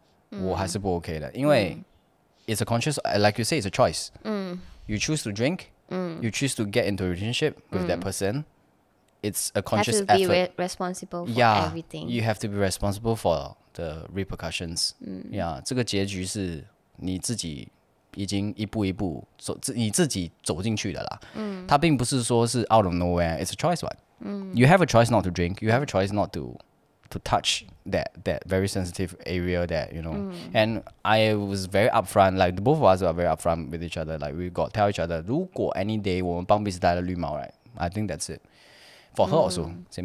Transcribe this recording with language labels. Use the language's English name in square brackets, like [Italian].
[Chinese] Mm. 我还是不 okay 的。因为、mm. [English] It's a conscious, like you say, it's a choice.、 Mm. You choose to drink,、 mm. you choose to get into a relationship with、 that person. It's a conscious effort. You have to be responsible for yeah, everything. You have to be responsible for the repercussions.、 Mm. [Chinese] Yeah, 这个结局是你自己已经一步一步走，你自己走进去的啦。它、并不是说是 [English] out of nowhere. It's a choice one.、 Mm. You have a choice not to drink. You have a choice not to touch that very sensitive area that you know、 mm. and I was very upfront like both of us were very upfront with each other like we got tell each other [Chinese] 如果 [English] any day [Chinese] 我们帮彼此戴了绿帽 [English] right I think that's it for her also、mm.